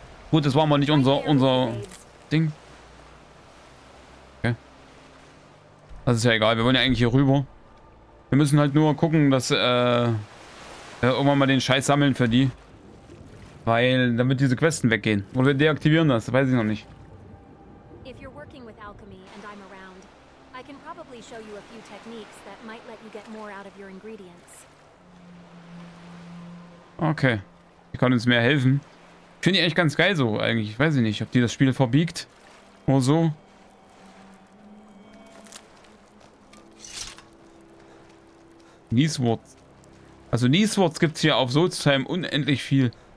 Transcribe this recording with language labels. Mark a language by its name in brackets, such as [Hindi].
[German] Gut, das war mal nicht unser Ding. Okay. Das ist ja egal, wir wollen ja eigentlich hier rüber. Wir müssen halt nur gucken, dass irgendwann mal den Scheiß sammeln für die. Weil damit diese Questen weggehen. Oder wir deaktivieren das, weiß ich noch nicht. [English] If you're working with Alchemy and I'm around, I can probably show you a few techniques that might let you get more out of your ingredients. Okay. [German] Ich kann uns mehr helfen. Ich finde die eigentlich ganz geil so, eigentlich. Ich weiß nicht, ob die das Spiel verbiegt. Oder so. Nieswurz. Also Nieswurz gibt es hier auf Sozheim unendlich viel.